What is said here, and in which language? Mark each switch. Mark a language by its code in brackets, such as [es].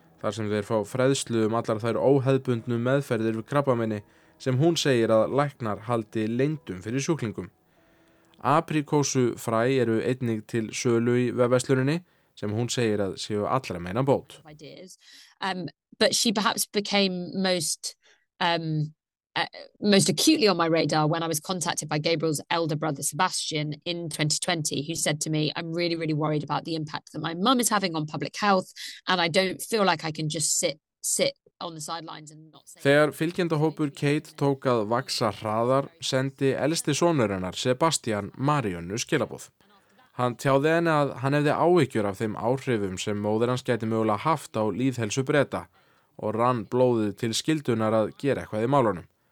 [is] Þar sem þeir fá fræðslu allar þær óhefðbundnu meðferðir við krabbameini sem hún segir að læknar haldi leyndum fyrir sjúklingum. Aprikósu fræ eru einnig til sölu í vefverslunni sem hún segir að séu allra meina bót. [en] But she perhaps became most acutely on my radar when I was contacted by Gabriel's elder brother Sebastian in 2020 who said to me I'm really really worried about the impact that my mum is having on public health and I don't feel like I can just sit on the sidelines and not say [is] Þegar fylgjendahópur Kate tók að vaxa hraðar sendi elsti sonur hennar Sebastian Marionu skilaboð. Hann tjáði henni að hann hefði áhyggjur af þeim áhrifum sem móðir hans gæti mögulega haft á lýðheilsu Breta og rann blóðið til skyldunar að gera eitthvað í málunum.